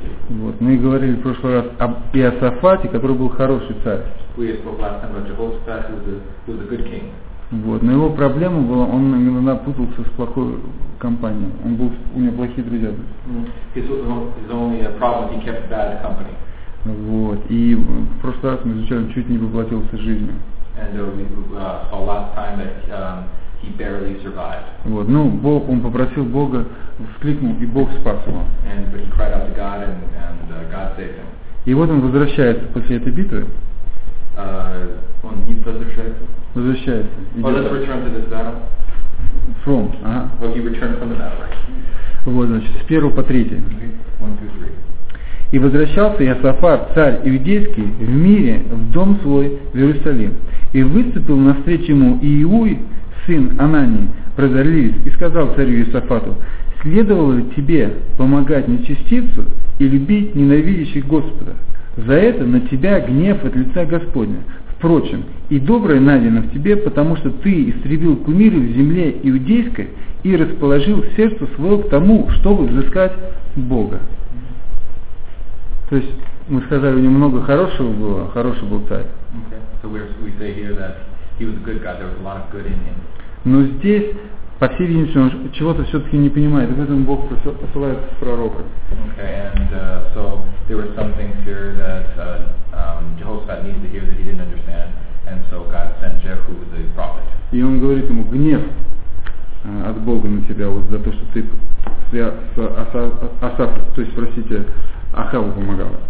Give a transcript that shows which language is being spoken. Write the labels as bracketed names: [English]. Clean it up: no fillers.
[Russian] Вот, мы говорили в прошлый раз об Иосафате, который был хороший царь. [English] We spoke last time about Jehoshaphat, who was a good king. [Russian] Вот, но его проблема была, он иногда путался с плохой компанией. Он был, у него плохие друзья были. [English] His only problem, he kept bad company. [Russian] Вот, и в прошлый раз мы изучали, он чуть не поплатился жизнью. [English] And we saw last time that he barely survived. [Russian] Вот, ну, Бог, он попросил Бога, вскликнул, и Бог спас его. [English] But he cried out to God, and God saved him. [Russian] И вот он возвращается после этой битвы. Он не возвращается? Возвращается. [English] Oh, let's return to this battle. From, [Russian] ага. [English] Well, he returned from the battle, right? [Russian] Вот, значит, с 1 по 3. [English] Okay. 1, 2, 3. [Russian] И возвращался Иосафат, царь иудейский, в мире, в дом свой, в Иерусалим. И выступил навстречу ему Иуй, сын Анании, прозорливец, и сказал царю Иосафату: «Следовало ли тебе помогать нечестивцу и любить ненавидящих Господа? За это на тебя гнев от лица Господня. Впрочем, и доброе найдено в тебе, потому что ты истребил кумиры в земле иудейской и расположил сердце свое к тому, чтобы взыскать Бога». То есть мы сказали, у него много хорошего было, хороший был царь. [English] Okay. So we say here that he was a good guy, there was a lot of good in him. [Russian] Но здесь, по всей видимости, он чего-то все-таки не понимает, и поэтому Бог посылает пророка. [English] Okay, and so there was something here that Jehoshaphat needed to hear that he didn't understand, and so God sent Jehu, the prophet. [Russian] И он говорит ему: гнев от Бога на тебя, вот за то, что ты Ахаву помогал.